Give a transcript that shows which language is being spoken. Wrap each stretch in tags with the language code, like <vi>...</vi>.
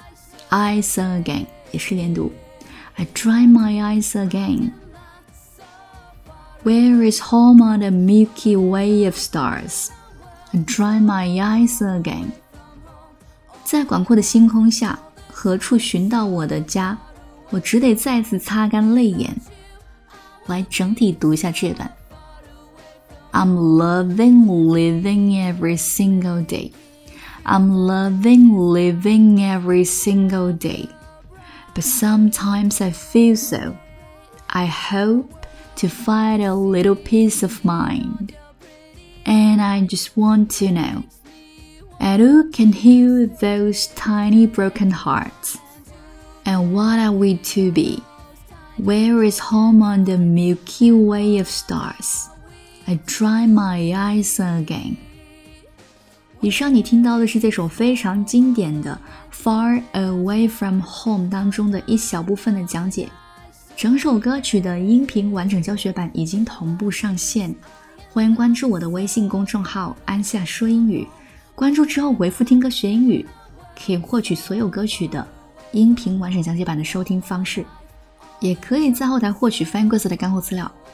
<en>My eyes again</en> <zh>也是连读。</zh> <en>I dry my eyes again. Where is home on the Milky Way of stars? I dry my eyes again.</en> <zh>在广阔的星空下，何处寻到我的家？我只得再次擦干泪眼。来整体读一下这段。</zh> <en>I'm loving living every single day. I'm loving living every single day. But sometimes I feel so. I hope to find a little peace of mind. And I just want to know. And who can heal those tiny broken hearts? And what are we to be? Where is home on the Milky Way of stars? I dry my eyes again.</en> <zh>以上你听到的是这首非常经典的 Far Away From Home 当中的一小部分的讲解。整首歌曲的音频完整教学版已经同步上线，欢迎关注我的微信公众号安夏说英语，关注之后回复听歌学英语，可以获取所有歌曲的音频完整讲解版的收听方式，也可以在后台获取翻译故事的干货资料。</zh>